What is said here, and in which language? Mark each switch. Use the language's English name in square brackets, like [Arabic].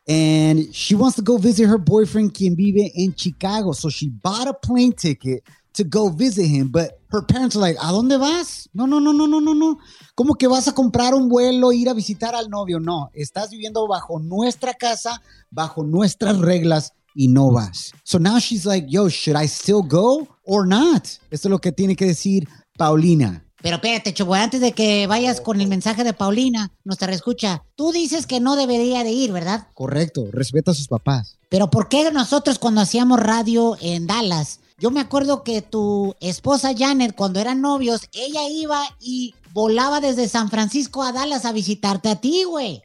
[English] And she wants to go visit her boyfriend, [Spanish] quien vive en Chicago. [English] So she bought a plane ticket to go visit him. But her parents are like, [Spanish] ¿a dónde vas? No, no, no, no, no, no, no. ¿Cómo que vas a comprar un vuelo e ir a visitar al novio? No, estás viviendo bajo nuestra casa, bajo nuestras reglas y no vas. [English] So now she's like, yo, should I still go or not? [Spanish] Eso es lo que tiene que decir Paulina. Pero espérate, Chubo, antes de que vayas con el mensaje de Paulina, nuestra reescucha, tú dices que no debería de ir, ¿verdad? Correcto, respeta a sus papás. Pero ¿por qué nosotros cuando hacíamos radio en Dallas? Yo me acuerdo que tu esposa Janet, cuando eran novios, ella iba y volaba desde San Francisco a Dallas a visitarte a ti, güey.